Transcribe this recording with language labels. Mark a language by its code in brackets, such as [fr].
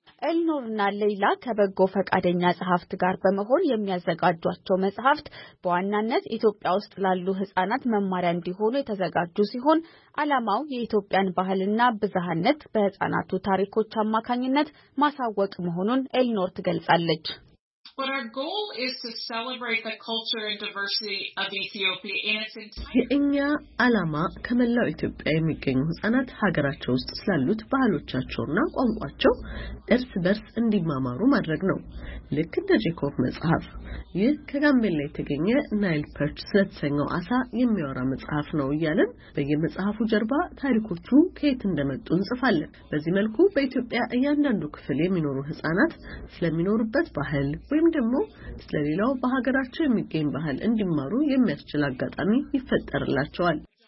[am] ኤልኖርና ሌላ ከበጎ ፈቃደኛ ጸሐፍት ጋር በመሆን የሚያዘጋጇቸው መጽሐፍት በዋናነት ኢትዮጵያ ውስጥ ላሉ ህፃናት መማሪያ እንዲሆኑ የተዘጋጁ ሲሆን አላማው የኢትዮጵያን ባህልና ብዝሃነት በህፃናቱ ታሪኮች አማካኝነት ማሳወቅ መሆኑን ኤልኖር ትገልጻለች። [en] But our goal is to celebrate the culture and diversity of Ethiopia and its entire [am] የኛ አላማ ከመላው ኢትዮጵያ የሚገኙ ህጻናት ሀገራቸው ውስጥ ስላሉት ባህሎቻቸውና ቋንቋቸው እርስ በርስ እንዲማማሩ ማድረግ ነው። ልክ እንደ ጄኮብ መጽሐፍ ይህ ከጋምቤላ የተገኘ ናይል ፐርች ስለተሰኘው አሳ የሚያወራ መጽሐፍ ነው ይላል። በየመጽሐፉ ጀርባ ታሪኮቹ ከየት እንደመጡ እንጽፋለን። በዚህ መልኩ በኢትዮጵያ እያንዳንዱ ክፍል የሚኖሩ ህጻናት ስለሚኖሩበት ባህል ወይም ደግሞ ስለሌላው በሀገራቸው የሚገኝ ባህል እንዲማሩ የሚያስችል አጋጣሚ ይፈጠርላቸዋል።